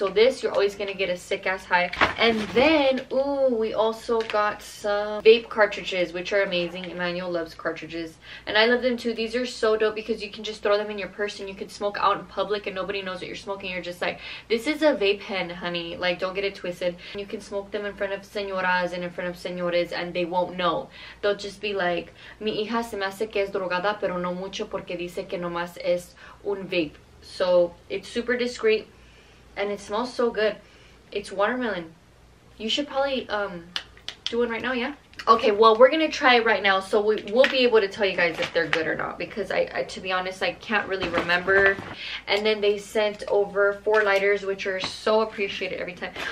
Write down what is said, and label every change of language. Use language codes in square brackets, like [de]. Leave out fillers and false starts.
[en] So this, you're always gonna get a sick ass high. And then, ooh, we also got some vape cartridges, which are amazing. Emmanuel loves cartridges, and I love them too. These are so dope because you can just throw them in your purse, and you can smoke out in public, and nobody knows what you're smoking. You're just like, this is a vape pen, honey. Like, don't get it twisted. You can smoke them in front of [es] señoras [en] and in front of [es] señores, [en] and they won't know. [es] They'll just be like, mi hija se me hace que es drogada, pero no mucho porque dice que nomás es un vape. [en] So it's super discreet, and it smells so good. It's watermelon. You should probably do one right now. Yeah, okay, well, we're gonna try it right now, so we'll be able to tell you guys if they're good or not, because I to be honest, I can't really remember. And then they sent over four lighters, which are so appreciated every time.